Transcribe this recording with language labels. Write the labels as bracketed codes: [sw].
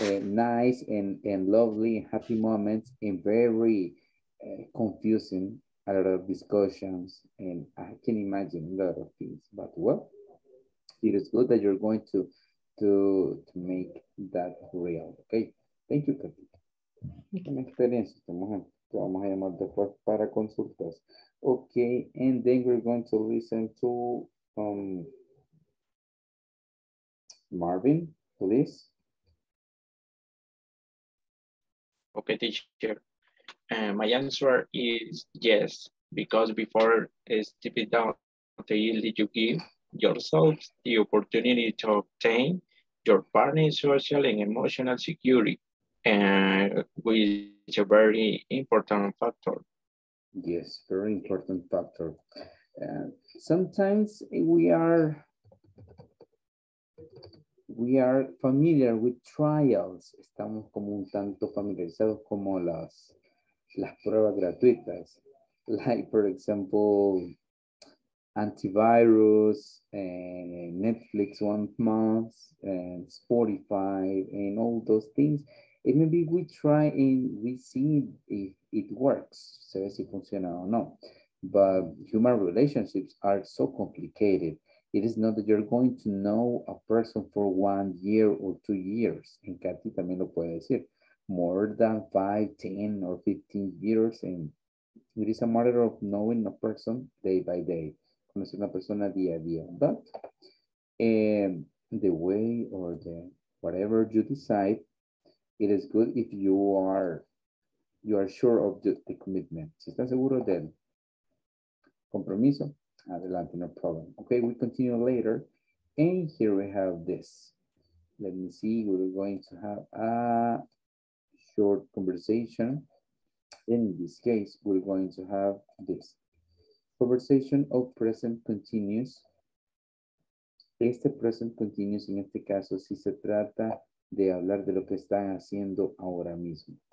[en] Nice and lovely and happy moments and very confusing, a lot of discussions, and I can imagine a lot of things. But well, it is good that you're going to make that real. Okay. Thank you, Katy. [es] Una experiencia, te vamos a llamar después para consultas. [en] Okay, and then we're going to listen to Marvin, please. Okay, teacher. My answer is yes, because before stepping down the hill, did you give yourself the opportunity to obtain your partner's social and emotional security? And which is a very important factor. Yes, very important factor. Sometimes we are familiar with trials. [es] Estamos como un tanto familiarizados como las pruebas gratuitas. [en] Like, for example, antivirus and Netflix 1 month and Spotify and all those things. And maybe we try and we see if it works, [es] se ve si funciona o no. [en] But human relationships are so complicated. It is not that you're going to know a person for 1 year or 2 years. And Katy [es] también lo puede decir. [en] More than 5, 10, or 15 years. And it is a matter of knowing a person day by day. [es] Conocer una persona día a día. [en] But the way or the whatever you decide, it is good if you are sure of the commitment. [es] Si están seguros del compromiso, adelante, [en] no problem. Okay, we continue later. And here we have this. Let me see, we're going to have a short conversation. In this case, we're going to have this. Conversation of present continuous. [es] Este present continuous, en este caso, si se trata de hablar de lo que están haciendo ahora mismo.